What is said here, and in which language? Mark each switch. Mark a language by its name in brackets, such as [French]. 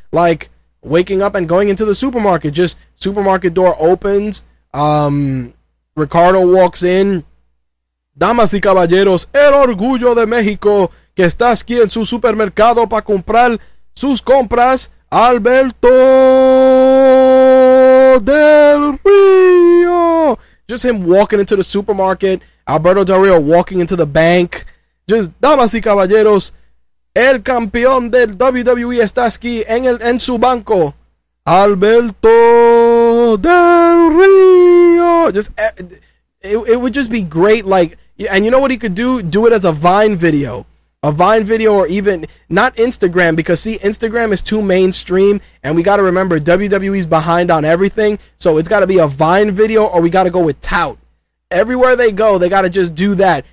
[English] Like, waking up and going into the supermarket, just supermarket door opens, Ricardo walks in. [Spanish] Damas y caballeros, el orgullo de México, que está aquí en su supermercado para comprar sus compras, Alberto Del Rio. [English] Just him walking into the supermarket, Alberto Del Rio walking into the bank. Just, [Spanish] damas y caballeros, el campeón del WWE está aquí en su banco, Alberto Del Rio. [English] Just, it would just be great. Like, and you know what he could do? Do it as a Vine video. A Vine video, or even not Instagram, because see, Instagram is too mainstream, and we got to remember WWE's behind on everything, so it's got to be a Vine video, or we got to go with Tout. Everywhere they go, they got to just do that.